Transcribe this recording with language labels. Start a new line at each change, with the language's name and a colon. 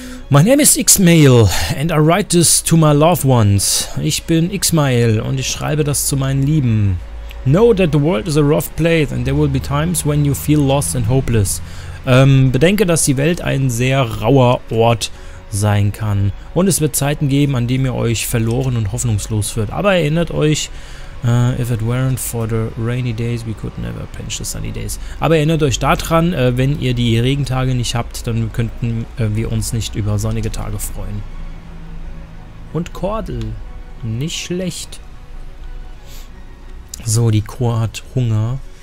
English: My name is Ismail and I write this to my loved ones.
German: Ich bin Ismail und ich schreibe das zu meinen Lieben.
English: Know that the world is a rough place and there will be times when you feel lost and hopeless.
German: Bedenke, dass die Welt ein sehr rauer Ort sein kann. Und es wird Zeiten geben, an denen ihr euch verloren und hoffnungslos fühlt. Aber erinnert euch,
English: if it weren't for the rainy days, we could never pinch the sunny days.
German: Aber erinnert euch daran, wenn ihr die Regentage nicht habt, dann könnten wir uns nicht über sonnige Tage freuen. Und Kordel. Nicht schlecht. So, die Chor hat Hunger.